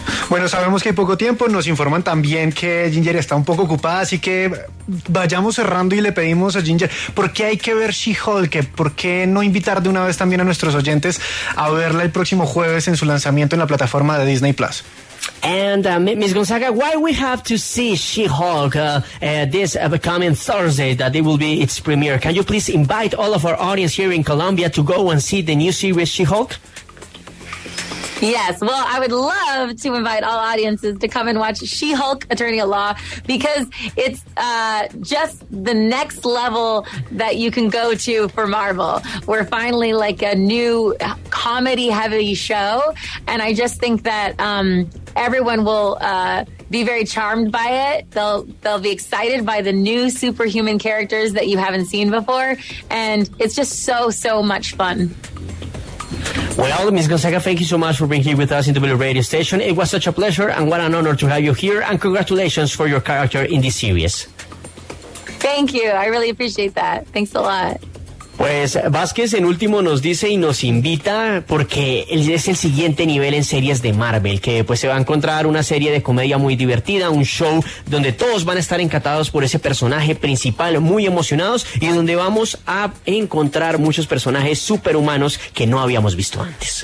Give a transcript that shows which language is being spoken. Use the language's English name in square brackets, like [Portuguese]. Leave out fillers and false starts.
[Spanish] Bueno, sabemos que hay poco tiempo, nos informan también que Ginger está un poco ocupada, así que vayamos cerrando y le pedimos a Ginger, ¿por qué hay que ver She-Hulk? ¿Por qué no invitar de una vez también a nuestros oyentes a verla el próximo jueves en su lanzamiento en la plataforma de Disney Plus? [English] And Ms. Gonzaga, why we have to see She-Hulk this upcoming Thursday that it will be its premiere? Can you please invite all of our audience here in Colombia to go and see the new series She-Hulk? Yes, well, I would love to invite all audiences to come and watch She-Hulk, Attorney at Law, because it's just the next level that you can go to for Marvel. We're finally like a new comedy-heavy show, and I just think that everyone will be very charmed by it. They'll be excited by the new superhuman characters that you haven't seen before, and it's just so, so much fun. Well, Ms. Gonzaga, thank you so much for being here with us in the Blue Radio Station. It was such a pleasure and what an honor to have you here. And congratulations for your character in this series. Thank you. I really appreciate that. Thanks a lot. [Spanish] Pues Vázquez en último nos dice y nos invita porque él es el siguiente nivel en series de Marvel, que pues se va a encontrar una serie de comedia muy divertida, un show donde todos van a estar encantados por ese personaje principal, muy emocionados, y donde vamos a encontrar muchos personajes superhumanos que no habíamos visto antes.